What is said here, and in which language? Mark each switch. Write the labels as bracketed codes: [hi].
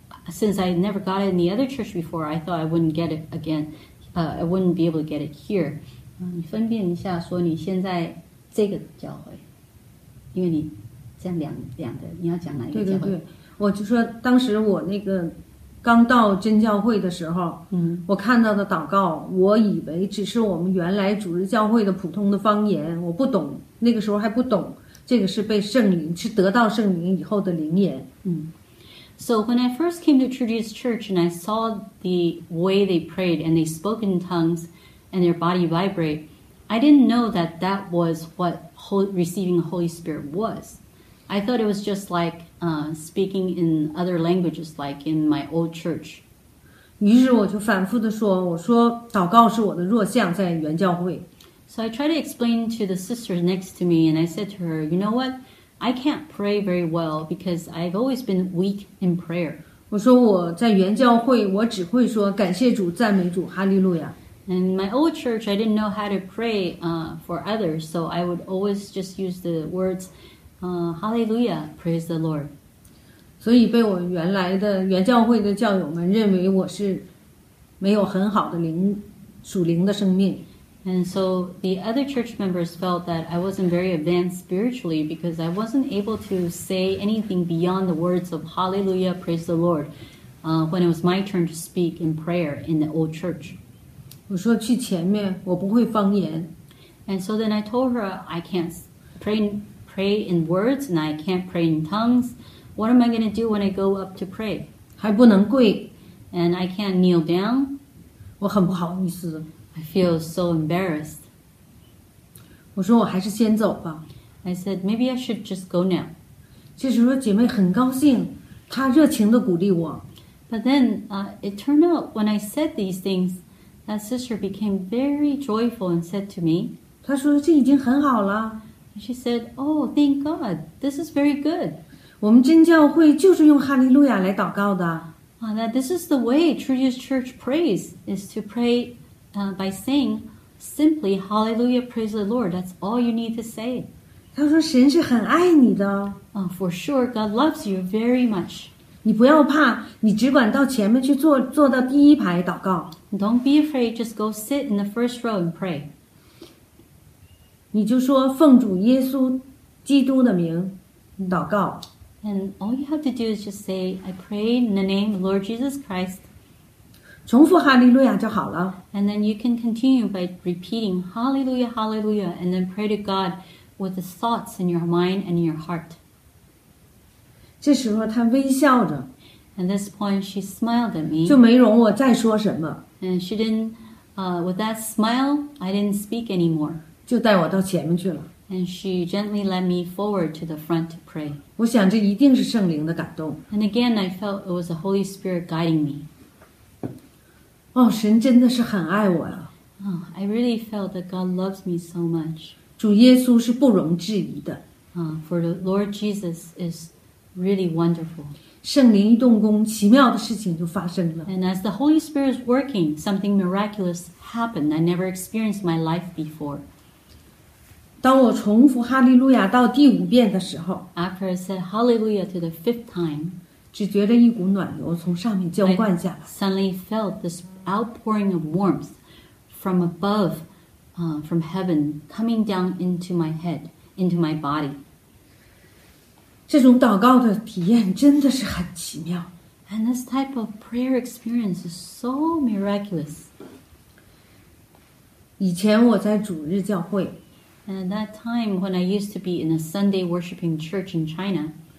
[en] Since I never got it in the other church before, I thought I wouldn't get it again. I wouldn't be able to get it here. [zh] 你分辨一下说你现在这个教会，因为你这样两个，你要讲哪一个教会？对对对。我就说当时我那个刚到真教会的时候，我看到的祷告，我以为只是我们原来主日教会的普通的方言，我不懂，那个时候还不懂这个是被圣灵，是得到圣灵以后的灵言。 [en] So when I first came to Trinity Church and I saw the way they prayed and they spoke in tongues and their body vibrate, I didn't know that was what receiving the Holy Spirit was. I thought it was just like speaking in other languages, like in my old church. [zh] 于是我就反复地说，我说祷告是我的弱项，在原教会。 [en] So I tried to explain to the sister next to me, and I said to her, you know what? I can't pray very well because I've always been weak in prayer. [zh] 我说我在原教会，我只会说感谢主、赞美主、哈利路亚。 [en] In my old church, I didn't know how to pray for others, so I would always just use the words, Hallelujah, praise the Lord. [zh] 所以被我原来的原教会的教友们认为我是没有很好的灵属灵的生命。 [en] And so the other church members felt that I wasn't very advanced spiritually because I wasn't able to say anything beyond the words of Hallelujah, praise the Lord, when it was my turn to speak in prayer in the old church. [zh] 我说去前面，我不会方言。 [en] And so then I told her I can't pray in words and I can't pray in tongues. What am I going to do when I go up to pray? [zh] 还不能跪。 [en] And I can't kneel down. [zh] 我很不好意思。 [en] I feel so embarrassed. [zh] 我说我还是先走吧。 [en] I said maybe I should just go now. [zh] 这时候姐妹很高兴，她热情地鼓励我。 [en] But then it turned out when I said these things,That sister became very joyful and said to me, [zh] 她说这已经很好了。 [en] She said, oh, thank God, this is very good. [zh] 我们真教会就是用哈利路亚来祷告的。 [en] That this is the way True Jesus Church prays, is to pray by saying simply, Hallelujah, praise the Lord. That's all you need to say. [zh] 她说神是很爱你的。 [en] For sure, God loves you very much. [zh] 你不要怕，你只管到前面去坐，坐到第一排祷告。 [en] Don't be afraid, just go sit in the first row and pray. [zh] 你就说奉主耶稣基督的名祷告。 [en] And all you have to do is just say, I pray in the name of Lord Jesus Christ. [zh] 重复哈利路亚就好了。 [en] And then you can continue by repeating Hallelujah, Hallelujah, and then pray to God with the thoughts in your mind and in your heart. [zh] 这时候她微笑着 [en] At this point, she smiled at me. [zh] 就没容我再说什么 [en] And she didn't, with that smile, I didn't speak anymore. [zh] 就带我到前面去了 [en] And she gently led me forward to the front to pray. [zh] 我想这一定是圣灵的感动 [en] And again, I felt it was the Holy Spirit guiding me. [zh] 哦，神真的是很爱我呀 [en] I really felt that God loves me so much. [zh] 主耶稣是不容置疑的 [en] For the Lord Jesus is... Really wonderful. [zh] 圣灵一动工，奇妙的事情就发生了。 [en] And as the Holy Spirit is working, something miraculous happened I never experienced my life before. [zh] 当我重复哈利路亚到第五遍的时候 [en] ，After I said Hallelujah to the fifth time, [zh] 只觉得一股暖流从上面浇灌下来。 [en] I suddenly felt this outpouring of warmth from above, from heaven coming down into my head, into my body. [zh] 这种祷告的体验真的是很奇妙。 [en] And this type of prayer experience is so miraculous. [zh] 以前我在主日教会。 [en] And at that time when I used to be in a Sunday worshiping church in China.